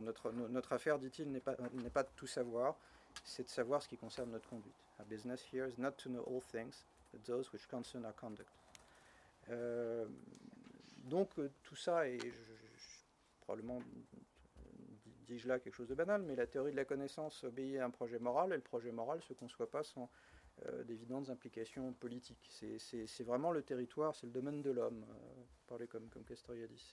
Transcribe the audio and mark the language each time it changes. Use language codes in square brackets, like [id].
[fr] Notre affaire, dit-il, n'est pas de tout savoir, c'est de savoir ce qui concerne notre conduite. [en] Our business here is not to know all things, but those which concern our conduct. [fr] Donc tout ça est probablement, dis-je là quelque chose de banal, mais la théorie de la connaissance obéit à un projet moral, et le projet moral ne se conçoit pas sans d'évidentes implications politiques. C'est vraiment le territoire, c'est le domaine de l'homme, parler comme Castoriadis.